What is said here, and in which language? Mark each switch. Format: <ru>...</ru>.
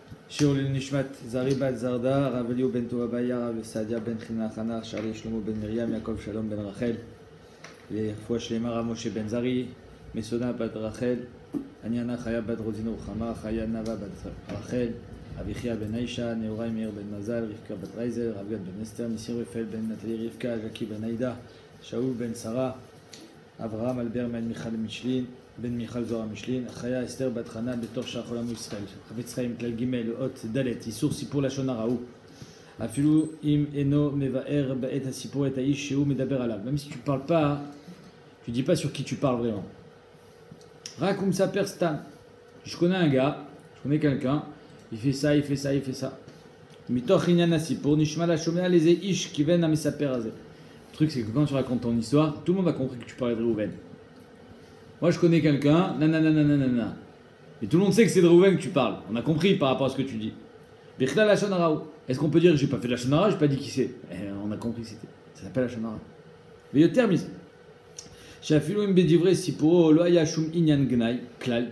<he>שיעור לנשמת זרי בת זרדה, רב אליהו בן טובה בעיה, רב סעדיה בן חינה חנה, שרי שלמה בן מרים, יעקב שלום בן רחל, לרפואה שלמה רב משה בן זרי, מסונה בת רחל, עניינה חיה בת רוזין רוחמה, חיה נאוה בת רחל, אביחיה בן עישה, נאורי מאיר בן מזל, רבקה בת רייזל, רב גד בן אסתר, ניסים רפאל בן נטלי רבקה, ז'קי בן עידה, שאול בן שרה, אברהם אלבר בן מיכל משלין, בן מיכל זוהר המשלין, אחיה אסתר בת חנה בתור שער חולם ישראל, חפץ חיים כלל ג' אות ד', איסור סיפור לשון הרע הוא, אפילו אם אינו מבאר בעת הסיפור את האיש שהוא מדבר עליו.</he> <fr>Même si tu parles pas, tu dis pas sur qui tu parles vraiment.</fr> <he>רק הוא מספר סתם.</he> <fr>Je connais un gars, je connais quelqu'un, il fait ça, il fait ça, il fait ça.</fr> <he>מתוך עניין הסיפור, נשמע לשומע לזה איש כיוון המספר הזה.</he> <fr>Le truc c'est que quand tu racontes ton histoire, tout le monde va comprendre que tu parles de Reuven. Moi je connais quelqu'un, nanana nanana nanana. Et tout le monde sait que c'est de Reuven que tu parles. On a compris par rapport à ce que tu dis. Bichla la shonara. Est-ce qu'on peut dire que j'ai pas fait de la shonara, j'ai pas dit qui c'est? On a compris c'était. Ça s'appelle la shonara. Mais au terme.</fr> <he>Shafilu im bedivrei sipuro lo haya shum inyan gnai klal.</he>